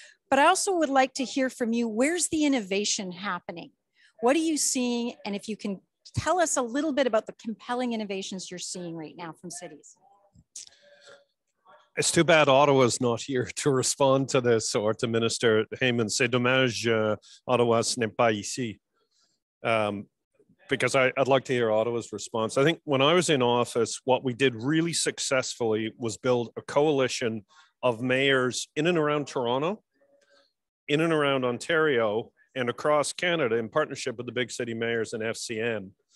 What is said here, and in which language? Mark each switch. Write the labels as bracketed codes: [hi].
[en] But I also would like to hear from you, where's the innovation happening? What are you seeing? And if you can tell us a little bit about the compelling innovations you're seeing right now from cities. It's too bad Ottawa's not here to respond to this or to Minister Heyman. [fr] C'est dommage, Ottawa n'est pas ici. [en] Because I'd like to hear Ottawa's response. I think when I was in office, what we did really successfully was build a coalition of mayors in and around Toronto, in and around Ontario, and across Canada in partnership with the big city mayors and FCM.